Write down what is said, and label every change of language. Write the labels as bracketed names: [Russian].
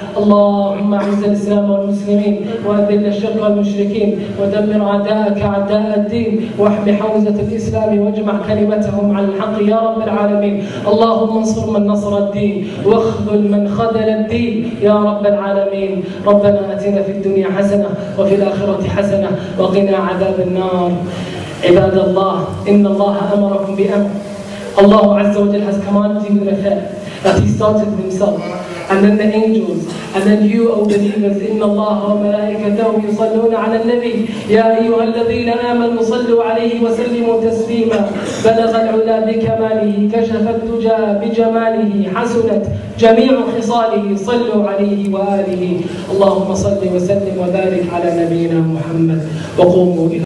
[Arabic] اللهم أعز الإسلام والمسلمين وأذل الشرك والمشركين ودمر أعداءك أعداء الدين واحمي حوزة الإسلام واجمع كلمته هم على الحق يا رب العالمين. اللهم انصر من نصر الدين واخذل من خذل الدين يا رب العالمين. ربنا آتنا في الدنيا حسنة وفي الآخرة حسنة وقنا عذاب النار. عباد الله, إن الله أمركم بأمر. الله عز وجل [English] has commanded you with a fair that he started himself, and then the angels, and then you, O believers. [Arabic] إن الله وملائكته يصلون على النبي يا أيها الذين آمنوا صلوا عليه وسلموا تسليما. بلغ العلا بكماله كشف الدجى بجماله حسنت جميع خصاله صلوا عليه وآله. اللهم صل وسلم وبارك على نبينا محمد وقوموا إلى